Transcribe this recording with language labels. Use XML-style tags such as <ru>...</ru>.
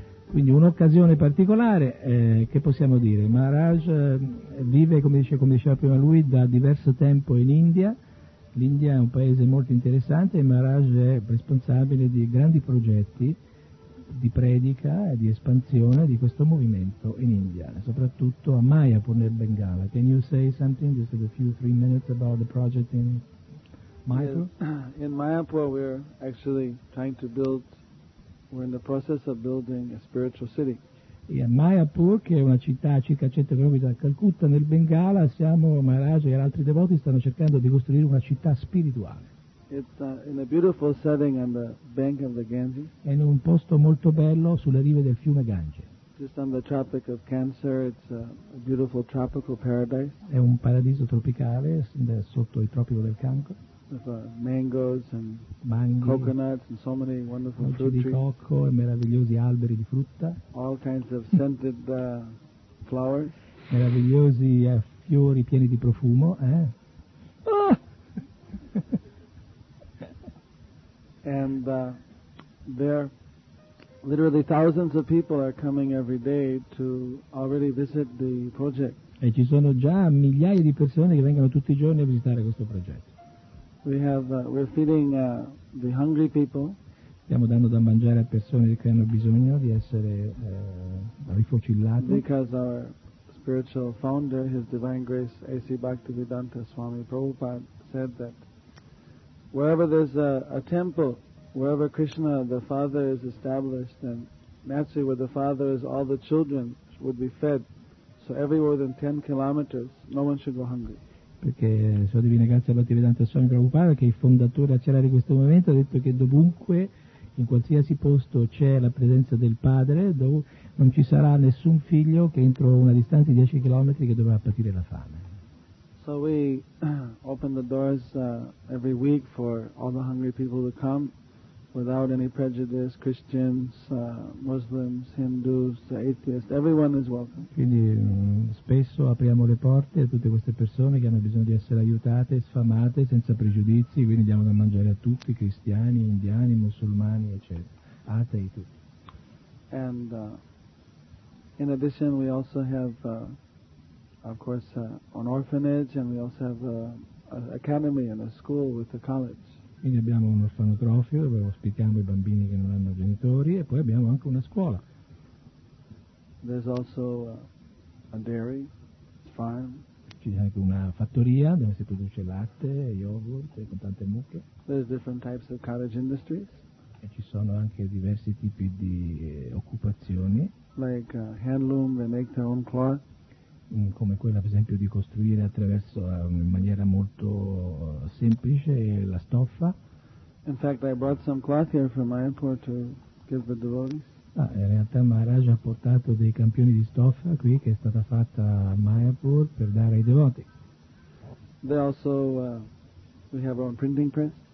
<it>Quindi un'occasione particolare, che possiamo dire? Maharaj vive, come diceva prima lui, da diverso tempo in India. L'India è un paese molto interessante e Maharaj è responsabile di grandi progetti di predica e di espansione di questo movimento in India, soprattutto a Mayapur nel Bengala.</it> <en>Can you say something, just a few, 3 minutes, about the project in Mayapur? In Mayapur we're actually trying to build, we're in the process of building a spiritual city.</en> <it>E a Mayapur, che è una città a circa 100 km da Calcutta nel Bengala, siamo, Maharaj e altri devoti stanno cercando di costruire una città spirituale.</it> <en>It's in a beautiful setting on the bank of the Ganges.</en> <it>È in un posto molto bello sulle rive del fiume Gange.</it> <en>Just on the Tropic of Cancer, it's a beautiful tropical paradise.</en> <it>È un paradiso tropicale sotto il tropico del cancro.</it> <en>With mangoes and</en> <it>mangi,</it> <en>coconuts and so many wonderful fruit trees.</en> <it>Mangi di cocco e meravigliosi alberi di frutta.</it> <en>All kinds of scented flowers.</en> <it>Meravigliosi fiori pieni di profumo, eh?</it> <en>And there, literally thousands of people are coming every day to already visit the project.</en> <it>E ci sono già migliaia di persone che vengono tutti i giorni a visitare questo progetto.</it> <en>We have, we're feeding the hungry people.</en> <it>Stiamo dando da mangiare a persone che hanno bisogno di essere rifocillate.</it> <en>Because our spiritual founder, His Divine Grace A.C. Bhaktivedanta Swami Prabhupada, said that wherever there's a temple, wherever Krishna the Father is established, then naturally where the Father is, all the children would be fed. So everywhere within 10 kilometers, no one should go hungry.</en> <it>Perché Sua Divina Grazia Bhaktivedanta Swami Prabhupada, che è il fondatore acerare di questo movimento, ha detto che dovunque, in qualsiasi posto c'è la presenza del Padre, dove non ci sarà nessun figlio che entro una distanza di 10 chilometri che dovrà patire la fame.</it> <en>So we open the doors every week for all the hungry people to come. without any prejudice, Christians, Muslims, Hindus, atheists, everyone is welcome.</en> <it>Quindi spesso apriamo le porte a tutte queste persone che hanno bisogno di essere aiutate, sfamate, senza pregiudizi, quindi diamo da mangiare a tutti, cristiani, indiani, musulmani, eccetera, atei tutti.</it> <en>And in addition, we also have, of course, an orphanage, and we also have an academy and a school with a college.</en> <it>Quindi abbiamo un orfanotrofio dove ospitiamo i bambini che non hanno genitori e poi abbiamo anche una scuola.</it> <en>There's also a dairy, farm.</en> <it>C'è anche una fattoria dove si produce latte, yogurt e con tante mucche.</it> <en>There's different types of cottage industries.</en> <it>E ci sono anche diversi tipi di occupazioni.</it> <en>Like handloom, they make their own cloth.</en> <it>Come quella per esempio di costruire attraverso in maniera molto semplice la stoffa.</it> <en>In fact, I brought some cloth here from Mayapur to give the devotees.</en> <it>Ah, in realtà Maharaj ha portato dei campioni di stoffa qui che è stata fatta a Mayapur per dare ai devoti.</it> <en>They also we have our own printing press.</en>